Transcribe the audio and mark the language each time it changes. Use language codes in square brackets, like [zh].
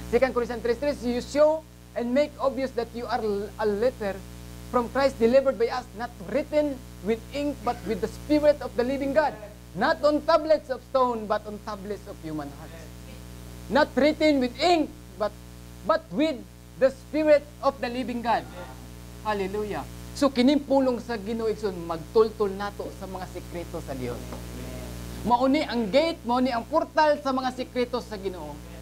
[en] 2 Corinthians 3:3, you show and make obvious that you are a letter from Christ delivered by us, not written with ink, but with the Spirit of the living God. Not on tablets of stone, but on tablets of human hearts. Not written with ink, but with the Spirit of the living God. Hallelujah. [ceb] So, kinimpulong sa Ginoo, magtultol nato sa mga sikreto sa Dios. Mauni ang gate, mauni ang portal sa mga sikreto sa Ginoo.